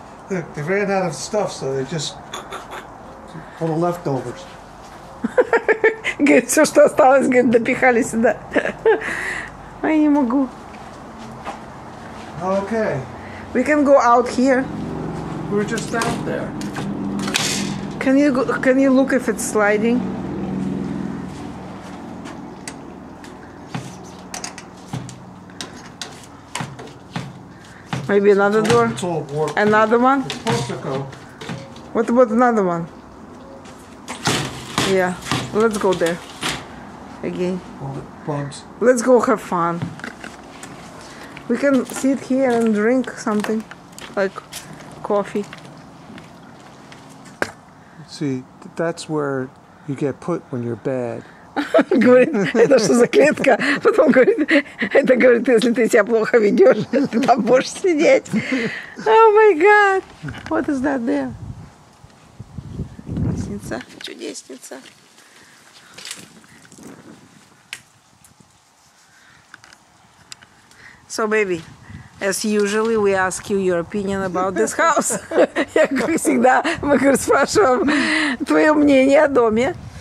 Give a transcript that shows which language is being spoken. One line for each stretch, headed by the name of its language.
English: Look, they ran out of stuff, so they just... all the leftovers.
Russian: Говорит, все, что осталось, говорит, допихали сюда. А я не могу.
English: Okay. We can go out here. We're just out there. Can you look if it's sliding? Maybe another door? It's all warped. Another one? It's supposed to go. What about another one? Yeah. Let's go there. Again. Bugs. Let's go have fun. We can sit here and drink something. Like coffee. See, that's where you get put when you're bad.
Russian: Говорит, это что за клетка? Потом говорит, это говорит, если ты себя плохо ведешь, ты там будешь сидеть.
English: О май гад! What is that there?
Russian: Лестница, чудесница.
English: So, baby, as usually, we ask you your opinion about this house.
Russian: Я, как всегда, мы, говорит, спрашиваем твое мнение о доме.